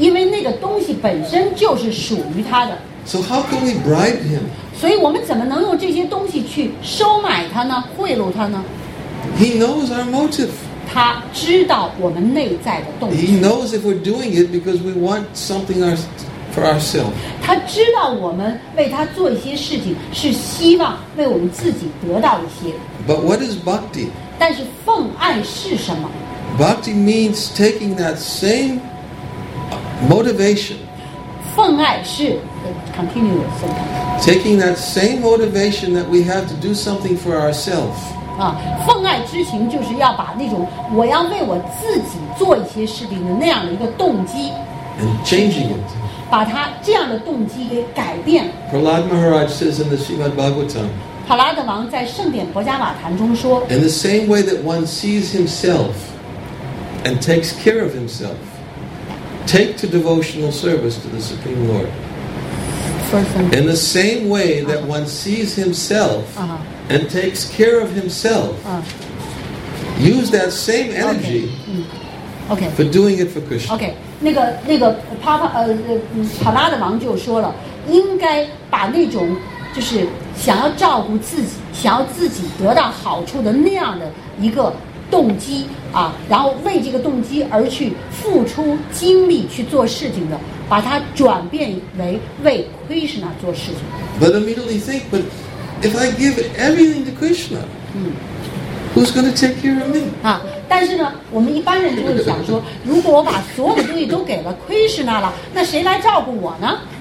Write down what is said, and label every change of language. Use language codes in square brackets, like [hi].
[zh] 因为那个东西本身就是属于他的。 [en] So how can we bribe him? [zh] 所以我们怎么能用这些东西去收买他呢？贿赂他呢？ [en] He knows our motive. [zh] 他知道我们内在的动机。 [en] He knows if we're doing it because we want something for ourselves. [zh] 他知道我们为他做一些事情是希望为我们自己得到一些。 [en] But what is bhakti? [zh] 但是奉爱是什么？ [en] Bhakti means taking that same motivation. [zh] 奉爱是 continuous. [en] Taking that same motivation that we have to do something for ourselves. [zh] 奉爱之情就是要把那种我要为我自己做一些事情的那样的一个动机。 [en] And changing it. [zh] 把它这样的动机给改变。 [en] Prahlad Maharaj says in the Srimad Bhagavatam. [zh] 帕拉德王在圣典博加瓦坛中说 [en] In the same way that one sees himself and takes care of himself, take to devotional service to the Supreme Lord. In the same way that one sees himself and takes care of himself, use that same energy for doing it for Krishna. [zh] Okay, 那个帕拉德王就说了，应该把那种就是想要照顾自己想要自己得到好处的那样的一个动机啊，然后为这个动机而去付出精力去做事情的把它转变为为 Krishna 做事情 [en] But immediately think but if I give everything to Krishna who's going to take care of me? [zh] 啊，但是呢我们一般人就会想说如果我把所有的东西都给了 Krishna 了那谁来照顾我呢